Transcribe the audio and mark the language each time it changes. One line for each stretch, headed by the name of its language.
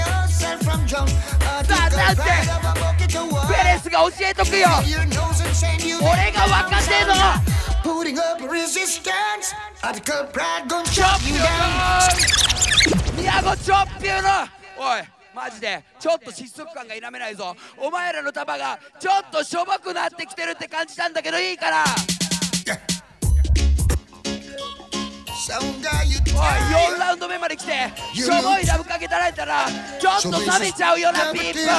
Japanese: さあなんてペレスが教えとくよ、俺が分かってんの。
English: Putting up resistance, Article Pride gon' chop you down.
Japanese: ミヤゴチョッピューの、おい、マジでちょっと失速感が否めないぞ。お前らの球がちょっとしょぼくなってきてるって感じたんだけど、いいから。おい、4ラウンド目まで来てしょぼいラブかけたられたらちょっと冷めちゃうようなピープ。